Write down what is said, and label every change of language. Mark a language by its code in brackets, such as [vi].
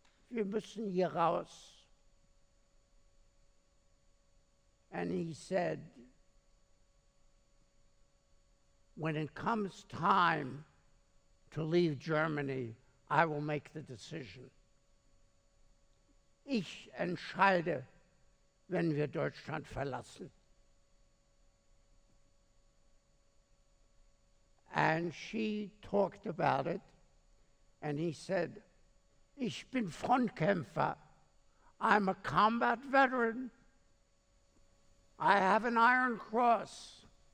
[de] Wir müssen hier raus." [en] And he said, "When it comes time to leave Germany, I will make the decision. [de] Ich entscheide, wenn wir Deutschland verlassen." [en] And she talked about it, and he said, [de] "Ich bin Frontkämpfer. [en] I'm a combat veteran. I have an Iron Cross.